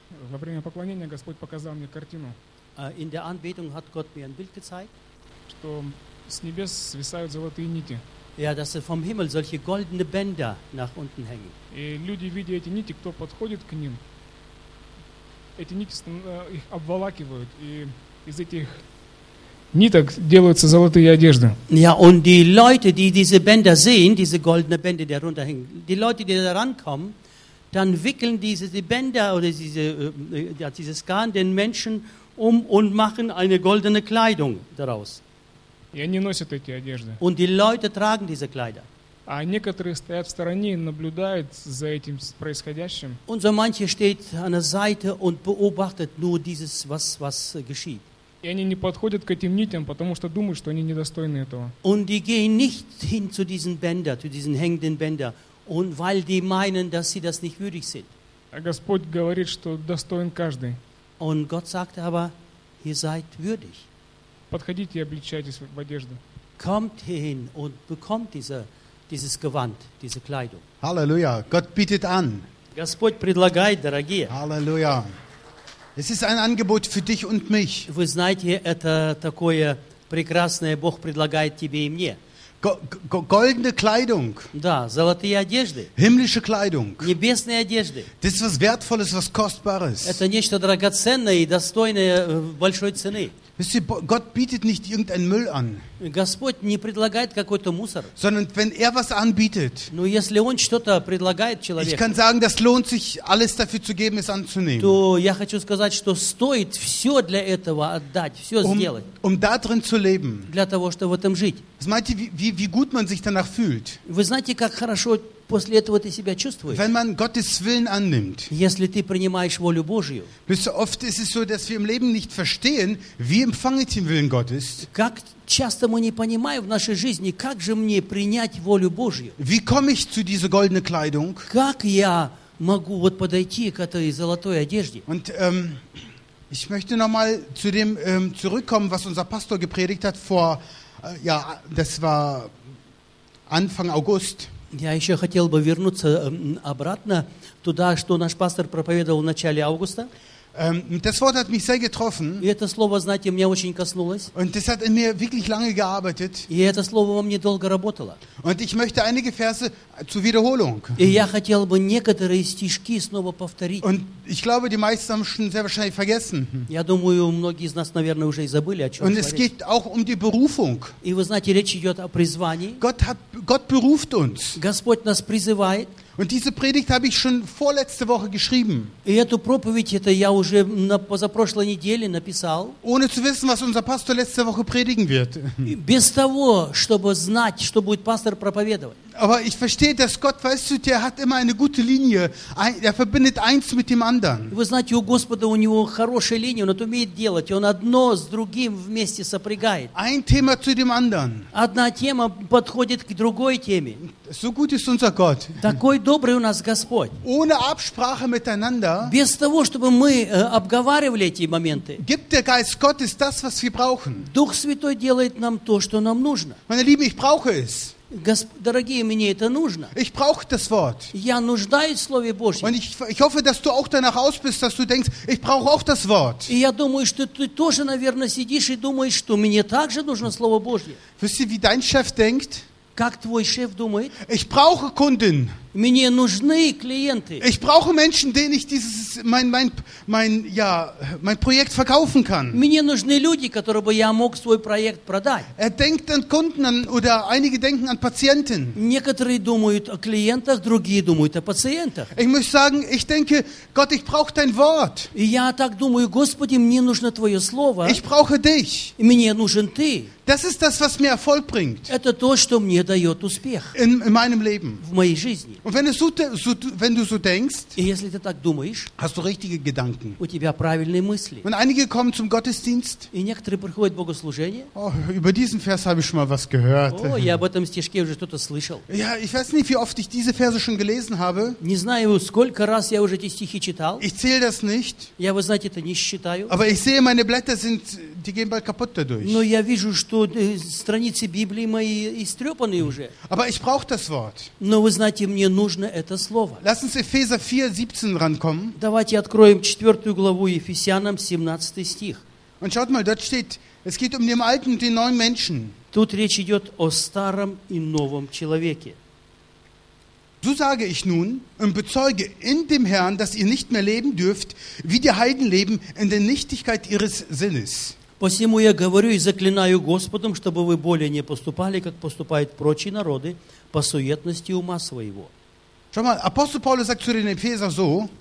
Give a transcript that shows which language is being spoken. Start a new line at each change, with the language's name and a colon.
Russian: Во время поклонения Господь показал мне картину.
German: In der Anbetung hat Gott mir ein Bild gezeigt.
Russian: Что с небес свисают золотые нити.
German: Ja, dass vom Himmel solche goldene Bänder nach unten hängen.
Russian: И люди, видя эти нити, кто подходит к ним, эти нити их обволакивают, и из этих ниток делаются золотые одежды.
German: Ja, und die Leute, die diese Bänder sehen, diese goldene Bänder, die darunter hängen, die Leute, die da rankommen, dann wickeln diese Bänder oder dieses Garn den Menschen um und machen eine goldene Kleidung daraus.
Russian: И они носят эти одежды.
German: Und die Leute tragen diese Kleider.
Russian: А некоторые стоят в стороне и наблюдают за этим происходящим.
German: Und so manche steht an der Seite und beobachtet nur dieses, was geschieht.
Russian: И они не подходят к этим нитям, потому что думают, что они недостойны этого.
German: Und die gehen nicht hin zu diesen Bändern, zu diesen hängenden Bändern, und weil die meinen, dass sie das nicht würdig sind.
Russian: А Господь говорит, что достоин каждый.
German: Und Gott sagt aber, ihr seid würdig.
Russian: Подходите и обличайтесь в одежду.
German: Kommt hin und bekommt dieses Gewand, diese Kleidung. Halleluja, Gott bietet an.
Russian: Господь предлагает, дорогие.
German: Halleluja. Es ist ein Angebot für dich und mich.
Russian: Вы знаете, это такое прекрасное, Бог предлагает тебе и мне.
German: Goldene Kleidung.
Russian: Да, золотые одежды.
German: Himmlische Kleidung.
Russian: Небесные одежды.
German: Das ist was Wertvolles, was Kostbares.
Russian: Это нечто драгоценное и достойное большой цены.
German: Wisst ihr, Gott bietet nicht irgendein Müll an.
Russian: Господь не предлагает какой-то мусор.
German: Sondern wenn er was anbietet.
Russian: Но если он что-то предлагает человеку.
German: Ich kann sagen, das lohnt sich, alles dafür zu geben, es anzunehmen.
Russian: То я хочу сказать, что стоит все для этого отдать, все сделать.
German: Um da drin zu leben.
Russian: Для того, чтобы в этом жить. Знаете,
German: wie gut man sich danach fühlt.
Russian: Вы знаете, как хорошо после этого ты себя чувствуешь?
German: Wenn man Gottes Willen annimmt,
Russian: если ты принимаешь волю Божью,
German: bis oft ist es so, dass wir im Leben nicht verstehen, wie empfange ich den Willen Gottes?
Russian: Как часто мы не понимаем в нашей жизни, как же мне принять волю Божью?
German: Wie komme ich zu dieser goldenen Kleidung?
Russian: Как я могу вот подойти к этой золотой одежде?
German: Und ich möchte nochmal zu dem zurückkommen, was unser Pastor gepredigt hat vor, ja, das war Anfang August.
Russian: Я еще хотел бы вернуться обратно туда, что наш пастор проповедовал в начале августа.
German: Das Wort hat mich sehr getroffen.
Russian: И это слово, знаете, меня очень коснулось.
German: Und das hat in mir wirklich lange gearbeitet.
Russian: И это слово во мне долго работало.
German: Und ich möchte einige Verse zur Wiederholung.
Russian: И я хотел бы некоторые стишки снова повторить.
German: Und ich glaube, die meisten haben schon sehr wahrscheinlich vergessen.
Russian: Я думаю, многие из нас, наверное, уже и забыли, о чем
German: Und es geht auch um die Berufung.
Russian: И вы знаете, речь идет о призвании.
German: Gott beruft uns.
Russian: Господь нас призывает.
German: Und diese Predigt habe ich schon vorletzte Woche geschrieben.
Russian: И эту проповедь это я уже на позапрошлой неделе написал.
German: Ohne zu wissen, was unser Pastor letzte Woche predigen wird.
Russian: Без того, чтобы знать, что будет пастор проповедовать.
German: Aber ich verstehe, dass Gott, weißt du, der hat immer eine gute Linie. Er verbindet eins mit dem anderen.
Russian: Вы знаете, у Господа у него хорошая линия, он это умеет делать, он одно с другим вместе сопрягает.
German: Ein Thema zu dem anderen.
Russian: Одна тема подходит к другой теме.
German: So gut ist unser Gott.
Russian: Такой добрый у нас Господь.
German: Ohne Absprache miteinander.
Russian: Без того, чтобы мы обговаривали эти моменты.
German: Gibt der Geist Gottes das, was wir brauchen.
Russian: Дух Святой делает нам то, что нам нужно.
German: Meine Lieben, ich brauche es.
Russian: Дорогие, мне это нужно.
German: Ich brauche das Wort.
Russian: Я нуждаюсь в Слове Божьем.
German: Und ich hoffe, dass du auch danach aus bist, dass du denkst, ich brauche auch das Wort.
Russian: И я думаю, что ты тоже, наверное, сидишь и думаешь, что мне также нужно Слово Божье.
German: Wisst ihr, wie dein Chef denkt?
Russian: Как твой шеф думает?
German: Ich brauche Kunden.
Russian: Мне нужны клиенты.
German: Ich brauche Menschen, denen ich dieses mein Projekt verkaufen kann.
Russian: Мне нужны люди, которые бы я мог свой проект продать.
German: Er denkt an Kunden oder einige denken an Patienten.
Russian: Некоторые думают о клиентах, другие думают о пациентах.
German: Ich muss sagen, ich denke, Gott, ich brauche dein Wort.
Russian: Я так думаю, Господи, мне нужно твое слово.
German: Ich brauche dich.
Russian: Мне нужен ты.
German: Das ist das, was mir Erfolg bringt.
Russian: Это то, что мне дает успех.
German: In meinem Leben.
Russian: В моей жизни.
German: Und wenn, wenn du so denkst,
Russian: если ты так думаешь,
German: hast du richtige Gedanken.
Russian: У тебя правильные мысли.
German: Und einige kommen zum Gottesdienst.
Russian: И некоторые приходят в богослужение.
German: Oh, über diesen Vers habe ich schon mal was gehört.
Russian: Oh, я об этом стишке уже что-то слышал.
German: Ja, ich weiß nicht, wie oft ich diese Verse schon gelesen habe.
Russian: Не знаю, сколько раз я уже эти стихи читал.
German: Ich zähle das nicht.
Russian: Я, вы знаете, это не считаю.
German: Aber ich sehe, meine Blätter sind, die gehen bald kaputt dadurch.
Russian: Но я вижу, что страницы Библии мои истрепаны уже.
German: Aber ich brauche das Wort.
Russian: Но вы знаете, мне нужно это слово.
German: Lass uns Epheser 4:17 rankommen.
Russian: Давайте откроем 4 главу Ефесянам, 17 стих.
German: Und schaut mal, dort steht, es geht um den alten und den neuen Menschen.
Russian: Тут речь идет о старом и новом человеке.
German: So sage ich nun und bezeuge in dem Herrn, dass ihr nicht mehr leben dürft, wie die Heiden leben, in der Nichtigkeit ihres Sinnes.
Russian: Посему я говорю и заклинаю Господом, чтобы вы более не поступали, как поступают прочие народы, по суетности ума своего.
German: Schau mal, Apostel Paulus sagt zu den Ephesern so,